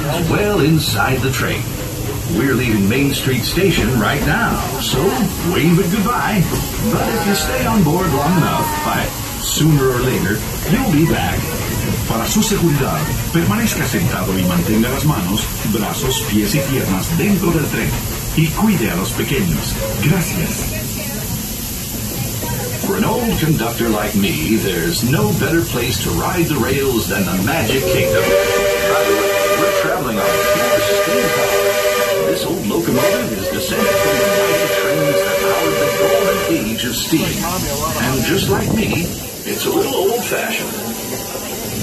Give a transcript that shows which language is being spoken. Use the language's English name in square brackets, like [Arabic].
[English] Well, inside the train. We're leaving Main Street Station right now, so wave it goodbye. But if you stay on board long enough, by sooner or later, you'll be back. [Spanish] Para su seguridad, permanezca sentado y mantenga las manos, brazos, pies y piernas dentro del tren. Y cuide a los pequeños. Gracias. [English] For an old conductor like me, there's no better place to ride the rails than the Magic Kingdom. By the way, we're traveling on pure steam power. This old locomotive is descended from the mighty trains that powered the golden age of steam. And just like me, it's a little old-fashioned.